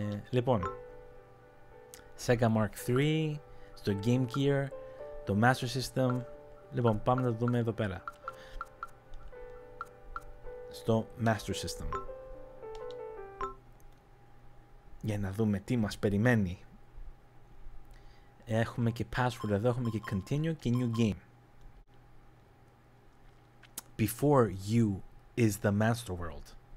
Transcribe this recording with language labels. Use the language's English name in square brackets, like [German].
[Greek] Λοιπόν, Sega Mark 3 στο Game Gear, το Master System. Λοιπόν, πάμε να το δούμε εδώ πέρα στο Master System για να δούμε τι μας περιμένει. Έχουμε και password εδώ, έχουμε και continue και new game. [English] Before you is the Master World.